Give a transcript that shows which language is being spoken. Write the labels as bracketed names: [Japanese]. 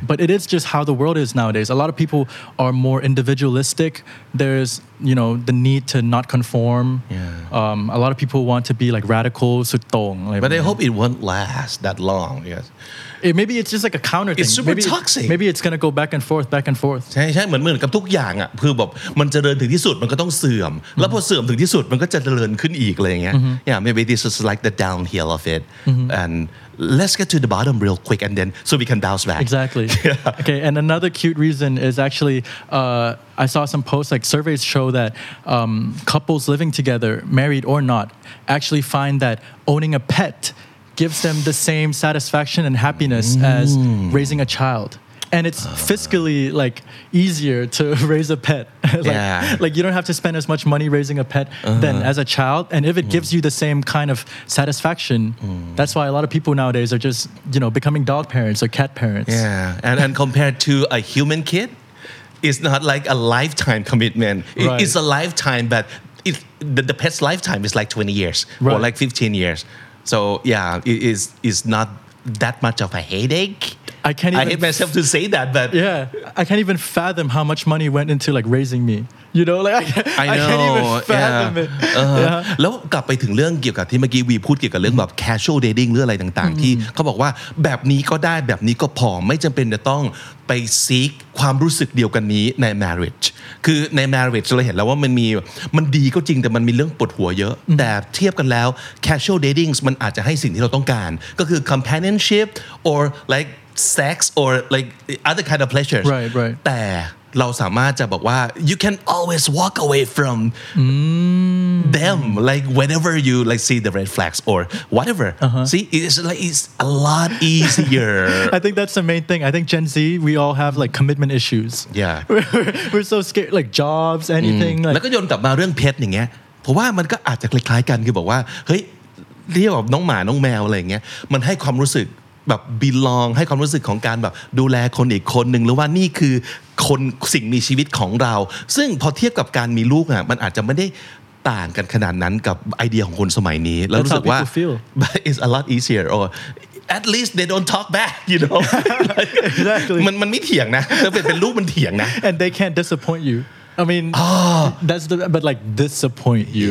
[English] but it is just how the world is nowadays a lot of people are more individualistic there's you know the need to not conform yeah a lot of people want to be like radical so tong like but they hope it won't last that long yes it, maybe it's just like a counter thing it's super toxic maybe it's going to go back and forth [Thai] ใช่เหมือนกับทุกอย่างอ่ะคือแบบมันเจริญถึงที่สุดมันก็ต้องเสื่อมแล้วพอเสื่อมถึงที่สุดมันก็จะเจริญขึ้นอีกอะไรอย่างเงี้ [English] ย yeah maybe this is like the downhill of it andLet's get to the bottom real quick and then so we can bounce back. Exactly. Yeah. Okay, and another cute reason is actually I saw some posts, like surveys show that couples living together, married or not, actually find that owning a pet gives them the same satisfaction and happiness as raising a child. And it's fiscally like easier to raise a pet. like you don't have to spend as much money raising a pet than as a child. And if it gives you the same kind of satisfaction, that's why a lot of people nowadays are just, you know, becoming dog parents or cat parents. Yeah. And compared to a human kid, it's not like a lifetime commitment. Right. It's a lifetime, but the pet's lifetime is like 20 years right. or like 15 years. So yeah, it is not that much of a headache. I can't even I hate myself to say that, but yeah, I can't even fathom how much money went into like raising me. You know, like I can't even fathom it. [Thai] แล้วกลับไปถึงเรื่องเกี่ยวกับที่เมื่อกี้วีพูดเกี่ยวกับเรื่องแบบ casual dating หรืออะไรต่างๆที่เขาบอกว่าแบบนี้ก็ได้แบบนี้ก็พอไม่จำเป็นจะต้องไป seek ความรู้สึกเดียวกันนี้ใน marriage คือใน marriage เราเห็นแล้วว่ามันมันดีก็จริงแต่มันมีเรื่องปวดหัวเยอะแต่เทียบกันแล้ว casual dating มันอาจจะให้สิ่งที่เราต้องการก็คือ [English] companionship or likesex or like other kind of pleasures right right [Thai] แต่เราสามารถจะบอกว่า [English] you can always walk away from them like whenever you like see the red flags or whatever see it's like it's a lot easier I think that's the main thing I think Gen Z we all have like commitment issues yeah we're so scared like jobs anything [Thai] แล้วก็ย้อนกลับมาเรื่องเพชรอย่างเงี้ยเพราะว่ามันก็อาจจะคล้ายๆกันคือบอกว่าเฮ้ยเรียกแบบน้องหมาน้องแมวอะไรอย่างเงี้ยมันให้ความรู้สึกแบบ belong ให้ความรู้สึกของการแบบดูแลคนอีกคนหนึ่งหรือว่านี่คือคนสิ่งมีชีวิตของเราซึ่งพอเทียบกับการมีลูกอ่ะมันอาจจะไม่ได้ต่างกันขนาดนั้นกับไอเดียของคนสมัยนี้แล้ว รู้ สึ กว่ [English] า but it's a lot easier or at least they don't talk back you know exactly [Thai] มันไม่เถียงนะถ้าเป็นลูกมันเถียงนะ [English] and they can't disappoint youI mean, that's the, but like disappoint you,